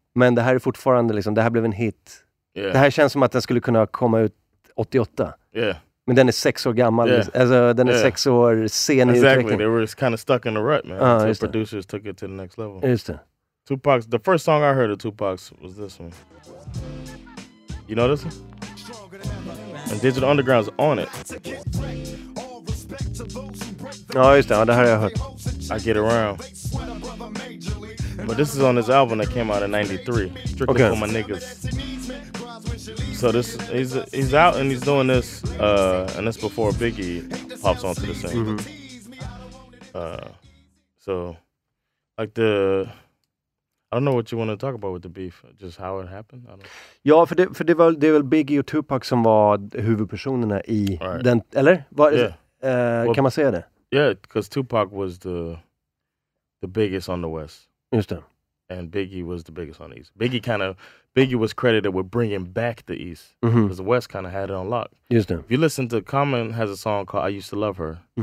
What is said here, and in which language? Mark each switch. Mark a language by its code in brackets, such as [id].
[sv] Men det här är fortfarande liksom, det här blev en hit. [en] Yeah. [sv] Det här känns som att den skulle kunna komma ut 88. Ja. Yeah. Men den är 6 år gammal. Yeah. Alltså, den är 6 år sen i utvecklingen. [en] Exactly, they were kind of stuck in the rut, man. The producers took it to the next level. [sv] Just det. [en] Tupac, the first song I heard of Tupac was this one. You know this one? And Digital Underground's on it. [sv] Ja, just det. Det här har jag hört. [en] I Get Around. But this is on this album that came out in 93. Strictly okay. For My Niggas. So this he's out and he's doing this and that's before Biggie pops onto the scene. Mm-hmm. So like the I don't know what you want to talk about with the beef, just how it happened. I don't know. [sv] Ja, för det var Biggie och Tupac som var huvudpersonerna i right. den eller vad [en] yeah. Well, [sv] kan man säga det? [en] Yeah, because Tupac was the biggest on the West. [sv] Just det. [en] And Biggie was the biggest on the East. Biggie was credited with bringing back the East. Because the West kind of had it on lock. Yes, then. If you listen to Common has a song called I Used to Love Her,